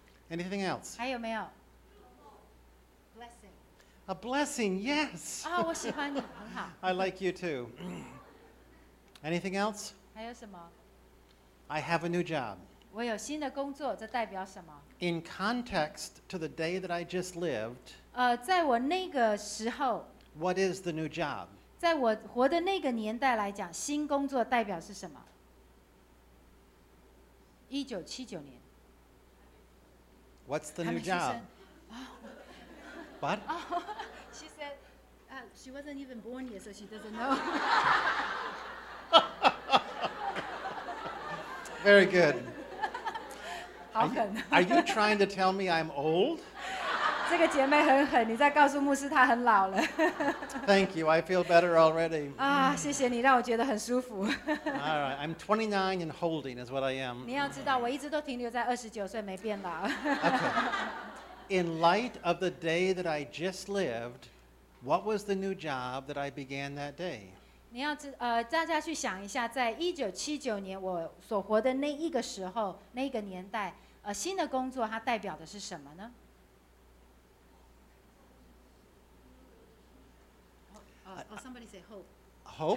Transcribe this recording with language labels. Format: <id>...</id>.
<en>Anything else?</en> <zh>还有没有</zh> <en>？Blessing. A blessing. Yes.</en> <zh>我喜欢你，很好。</zh> <en>I like you too. Anything else?</en> <zh>还有什么</zh> <en>？I have a new job.</en> <zh>我有新的工作，这代表什么</zh> <en>？In context to the day that I just lived.</en> <zh>在我那个时候</zh> <en>，What is the new job？</en> <zh>在我活的那个年代来讲，新工作代表是什么？ 1979年。</zh> <en>What's the new job？ What？ She said, she wasn't even born yet, so she doesn't know. Very good.</en> <zh>好狠。</zh> <en>Are you trying to tell me I'm old？</en> <zh>这个姐妹很狠，你在告诉牧师她很老了。</zh> <en>Thank you, I feel better already.</en> <zh>谢谢你让我觉得很舒服。</zh> <en>All right, I'm 29 and holding is what I am.</en> <zh>你要知道，我一直都停留在29岁没变老。</zh> <en>Okay. In light of the day that I just lived, what was the new job that I began that day?</en> <zh>你要大家去想一下，在1979年我所活的那一个时候，那个年代，新的工作它代表的是什么呢？</zh> <en>Somebody say hope.</en>